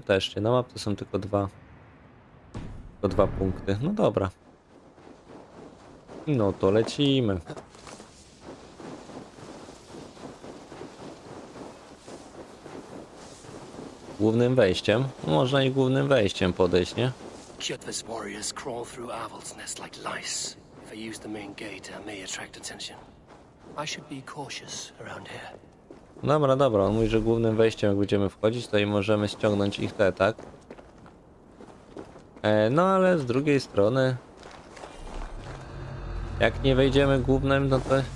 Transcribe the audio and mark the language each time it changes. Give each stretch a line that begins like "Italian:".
Polish: Też nie. Na mapce są tylko dwa punkty. No dobra. No to lecimy. Głównym wejściem. Można i głównym wejściem podejść, nie?
English: Should this warriors crawl through Avel's nest like lice? If I use the main gate, I may attract attention. I should be cautious around here.
Polish: Dobra, dobra. On mówi, że głównym wejściem, jak będziemy wchodzić, to i możemy ściągnąć ich te, tak? No ale z drugiej strony... Jak nie wejdziemy głównym, no to...